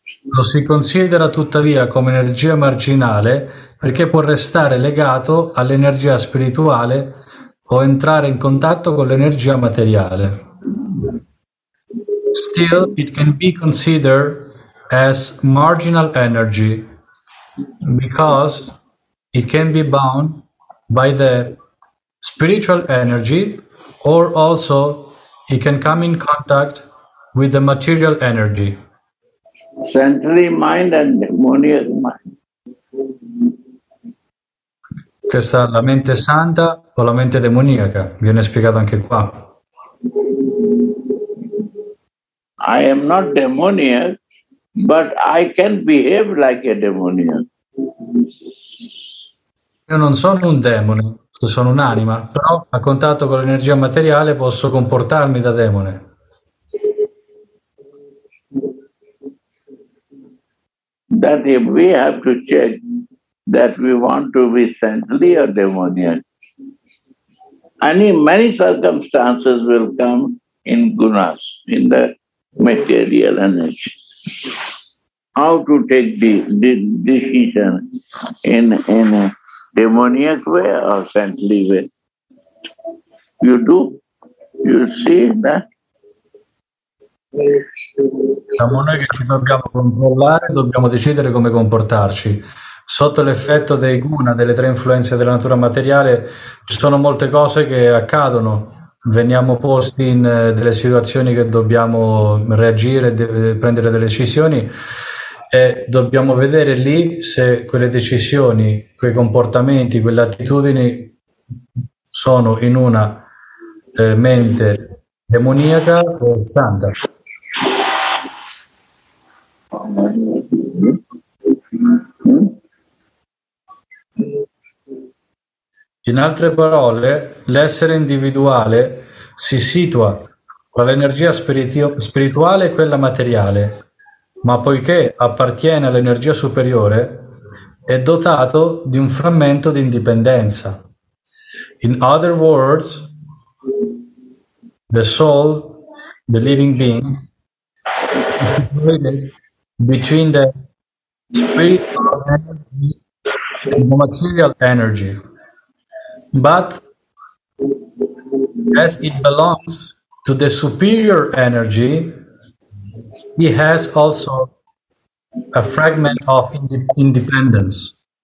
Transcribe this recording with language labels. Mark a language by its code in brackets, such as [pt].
[it] Lo si considera tuttavia come energia marginale perché può restare legato all'energia spirituale o entrare in contatto con l'energia materiale. [en] Still, it can be considered as marginal energy because it can be bound by the spiritual energy or also it can come in contact with the material energy. Sensory mind and demonic mind. [it] Questa la mente santa o la mente demoniaca viene spiegato anche qua. [en] I am not demoniac, but I can behave like a demoniac. [it] Io non sono un demone, sono un'anima, però a contatto con l'energia materiale posso comportarmi da demone. [en] That if we have to check that we want to be saintly or demoniac. And in many circumstances will come in gunas, in the material energy. How to take the decision in a demoniac way or saintly way? You do? You see that? [it] Siamo noi che ci dobbiamo controllare, dobbiamo decidere come comportarci. Sotto l'effetto dei guna, delle tre influenze della natura materiale, ci sono molte cose che accadono. Veniamo posti in delle situazioni che dobbiamo reagire, prendere delle decisioni e dobbiamo vedere lì se quelle decisioni, quei comportamenti, quelle attitudini sono in una mente demoniaca o santa. In altre parole, l'essere individuale si situa tra l'energia spirituale e quella materiale, ma poiché appartiene all'energia superiore, è dotato di un frammento di indipendenza. [en] In other words, the soul, the living being, is situated between the spiritual energy and the material energy. But as it belongs to the superior energy, he has also a fragment of independence.